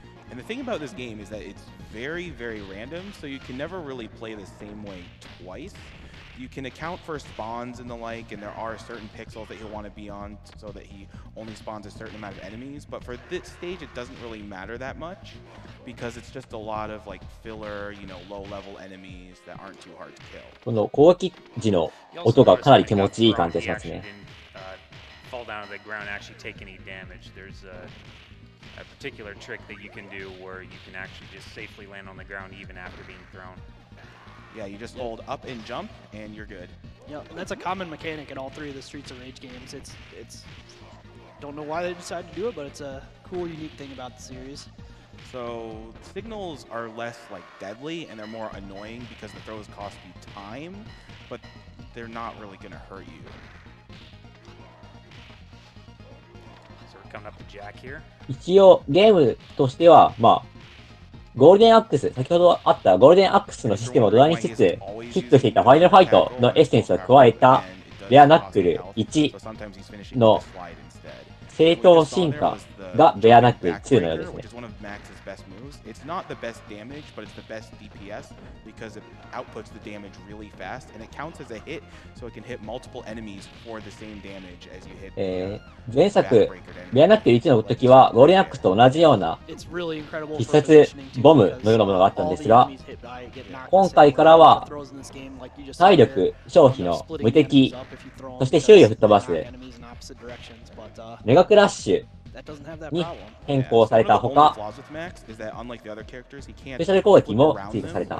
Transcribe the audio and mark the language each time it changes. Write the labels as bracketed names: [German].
[English] And the thing about this game is that it's very, very random, so you can never really play the same way twice. You can account for spawns and the like, and there are certain pixels that he'll want to be on so that he only spawns a certain amount of enemies. But for this stage, it doesn't really matter that much because it's just a lot of like filler, you know, low level enemies that aren't too hard to kill. [Japanese] この攻撃時の音がかなり気持ちいい感じしますね。 [English] Fall down to the ground, actually take any damage. There's a particular trick that you can do where you can actually just safely land on the ground even after being thrown. Yeah, you just hold up and jump, and you're good. Yeah, that's a common mechanic in all three of the Streets of Rage games. It's don't know why they decided to do it, but it's a cool, unique thing about the series. So signals are less like deadly, and they're more annoying because the throws cost you time, but they're not really gonna hurt you. So we're coming up to Jack here. [Japanese] 一応ゲームとしてはまあ。ゴールデンアックス、先ほどあったゴールデンアックスのシステムを土台にしつつ、ヒットしていたファイナルファイトのエッセンスを加えた、レアナックル1の正当進化がベアナック2のようですね。 [English] It's not the best damage, but it's the best DPS because it outputs the damage really fast and it counts as a hit, so it can hit multiple enemies for the same damage as you hit. [Japanese] 前作ベアナック1の時はゴールデンアックスと同じような必殺ボムのようなものがあったんですが、今回からは体力消費の無敵、そして周囲を吹っ飛ばすメガクラッシュに変更されたほか、スペシャル攻撃も追加された